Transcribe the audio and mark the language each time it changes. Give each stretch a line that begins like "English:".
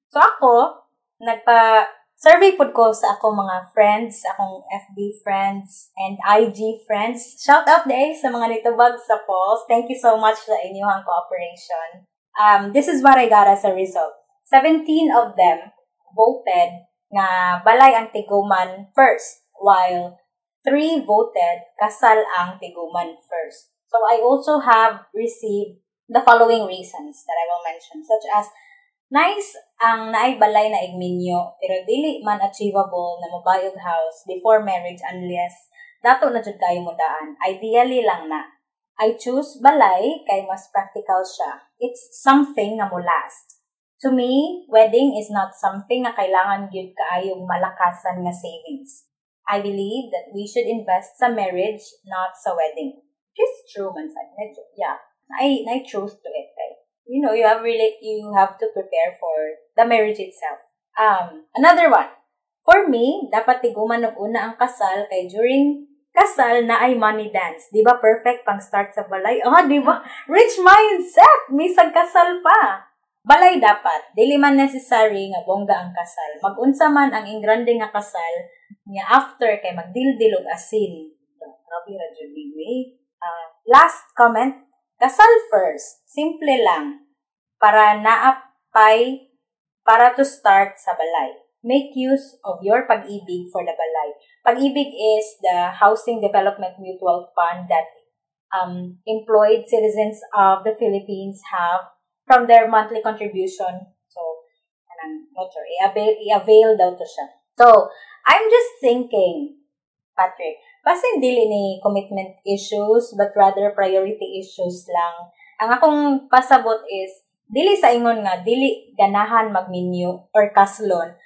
Cebuano: So ako nagpa survey pud ko sa akong mga friends, akong FB friends and IG friends. Shout out day sa mga nitubag sa polls. Thank you so much sa inyong cooperation.
English: This is what I got as a result. 17 of them voted nga balay ang tiguman first while 3 voted kasal ang tiguman first. So I also have received the following reasons that I will mention, such as nice ang naay balay na igminyo pero dili man achievable na mobile house before marriage unless dato na jud kayo mudaan.
Cebuano: Ideally lang na. I choose balay kay mas practical siya.
English: It's something na mo last. To me, wedding is not something na kailangan gyud kaayong malakasan nga savings. I believe that we should invest sa marriage, not sa wedding. It's true man sa medyo. Yeah. I choose to it. You know, you have to prepare for the marriage itself. Another one.
Cebuano: For me, dapat tiguman ng una ang kasal kay during kasal na ay money dance. Diba perfect pang start sa balay? Oh, diba? Rich mindset! Misag kasal pa! Balay dapat. Dili man necessary nga bongga ang kasal. Mag-unsa man ang ingrande nga kasal niya after kay magdildil og asin. Grabe ra jud ni me. Last comment. Kasal first. Simple lang. Para naapay, para to start sa balay.
English: Make use of your pag-ibig for the balay. Pag-ibig is the Housing Development Mutual Fund that employed citizens of the Philippines have from their monthly contribution.
Cebuano: So, anong motor? I-avail daw to siya.
English: So, I'm just thinking, Patrick, basin dili ni commitment issues but rather priority issues lang.
Cebuano: Ang akong pasabot is, dili sa ingon nga, dili ganahan magminyo or kaslon.